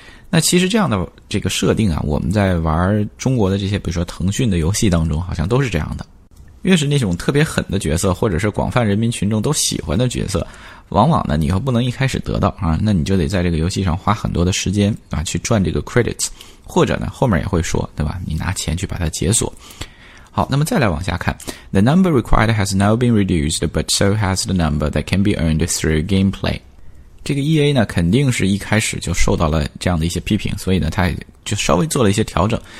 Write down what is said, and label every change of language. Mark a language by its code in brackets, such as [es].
[zh] 那其实这样的这个设定啊，我们在玩中国的这些比如说腾讯的游戏当中好像都是这样的，越是那种特别狠的角色或者是广泛人民群众都喜欢的角色，往往呢你又不能一开始得到啊，那你就得在这个游戏上花很多的时间啊去赚这个 credits， 或者呢后面也会说对吧，你拿钱去把它解锁。好，那么再来往下看。 [en] The number required has now been reduced, but so has the number that can be earned through gameplay. [zh] 这个 EA 呢肯定是一开始就受到了这样的一些批评，所以呢他就稍微做了一些调整。